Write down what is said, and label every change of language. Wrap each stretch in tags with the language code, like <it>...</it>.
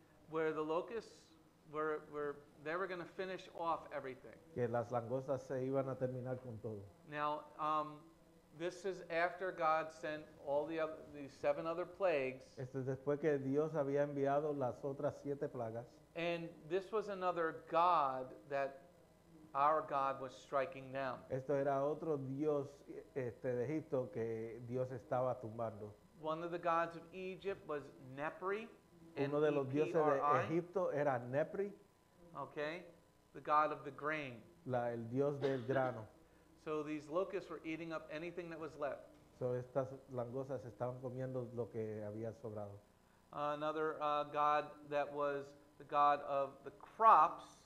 <en>Where the locusts were going to finish off everything.</en> <es>Que las langostas se iban a terminar con todo.</es> <en>Now, this is after God sent all these seven other plagues.</en> <es>Esto es después que Dios había enviado las otras siete plagas.</es> <en>And this was another God that our God was striking down.</en> <es>Esto era otro Dios de Egipto que Dios estaba tumbando.</es> <en>One of the gods of Egypt was Nepri.</en> <es>Uno de los dioses de Egipto era Nepri.</es> <en>Okay. The god of the grain.</en> <es>El dios del grano.</es> <en>So these locusts were eating up anything that was left.</en> <es>So estas langostas estaban comiendo lo que había sobrado.</es> <en>Another god that was the god of the crops.</en>